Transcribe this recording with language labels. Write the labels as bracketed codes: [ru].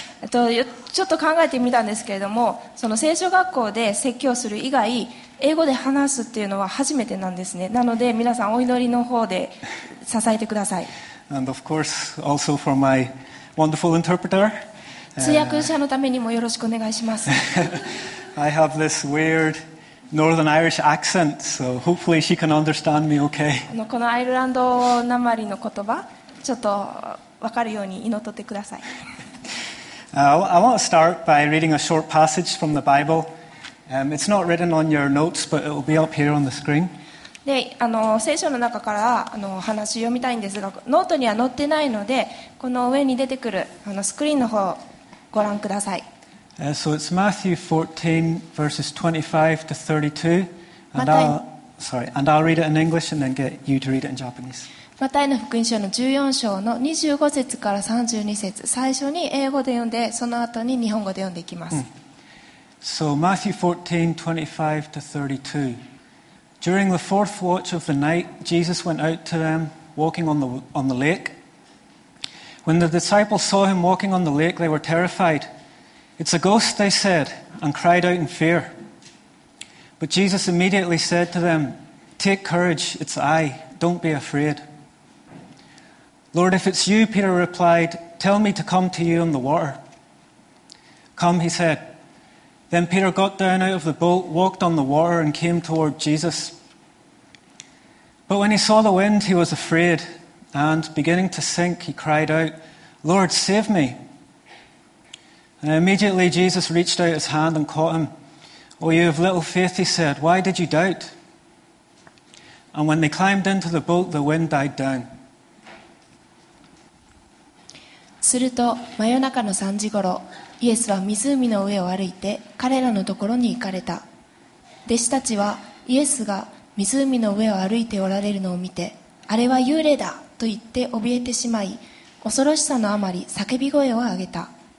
[ja] ちょっと考えてみたんですけれども、その聖書学校で説教する以外、英語で話すっていうのは初めてなんですね。なので皆さんお祈りの方で支えてください。 [en] And of course, also for my wonderful interpreter. [ja] 通訳者のためにもよろしくお願いします。 [en] I have this weird Northern Irish accent, so hopefully she can understand me okay. [ja] このアイルランド訛りの言葉、ちょっと分かるように祈っとってください。 [en] I want to start by reading a short passage from the Bible. It's not written on your notes, but it will be up here on the screen. [ja] で、聖書の中から話を読みたいんですが、ノートには載ってないので、この上に出てくるスクリーンの方をご覧ください。 [en] So it's Matthew 14, verses 25 to 32. And I'll read it in English and then get you to read it in Japanese. [ja] マタイの福音書の14章の25節から32節、最初に英語で読んで、その後に日本語で読んでいきます。 [en] So, Matthew 14:25-32. During the fourth watch of the night, Jesus went out to them, walking on the lake. When the disciples saw him walking on the lake, they were terrified. It's a ghost, they said, and cried out in fear. But Jesus immediately said to them, Take courage, it's I, don't be afraid. Lord, if it's you, Peter replied, tell me to come to you on the water. Come, he said. Then Peter got down out of the boat, walked on the water, and came toward Jesus. But when he saw the wind, he was afraid, and beginning to sink, he cried out, Lord, save me. And immediately Jesus reached out his hand and caught him. Oh, you of little faith, he said, why did you doubt? And when they climbed into the boat, the wind died down. [ja] すると真夜中の3時ごろ、イエスは湖の上を歩いて彼らのところに行かれた。弟子たちはイエスが湖の上を歩いておられるのを見て、あれは幽霊だと言って怯えてしまい、恐ろしさのあまり叫び声を上げた。